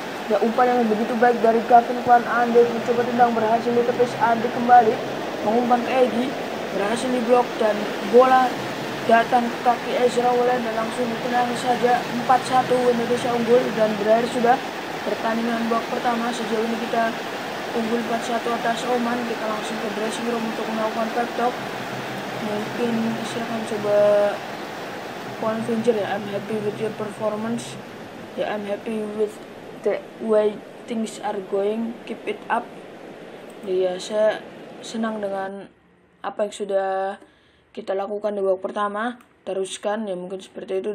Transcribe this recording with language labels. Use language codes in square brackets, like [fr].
[id] Ya, umpan yang begitu baik dari Gavin Kwan, Andik mencoba tendang, berhasil ditepis Andik kembali, mengumpan ke Egy, berhasil diblok dan bola datang ke kaki Ezra Walian dan langsung ditendang saja. 4-1 Indonesia unggul dan berakhir sudah pertandingan babak pertama. Sejauh ini kita unggul 4-1 atas Oman. Kita langsung ke dressing room untuk melakukan pep talk. Mungkin saya akan coba [en] Kwan Fincher ya, I'm happy with your performance, ya I'm happy with the way things are going, keep it up. [id] Ya saya senang dengan apa yang sudah kita lakukan di babak pertama, teruskan ya, mungkin seperti itu.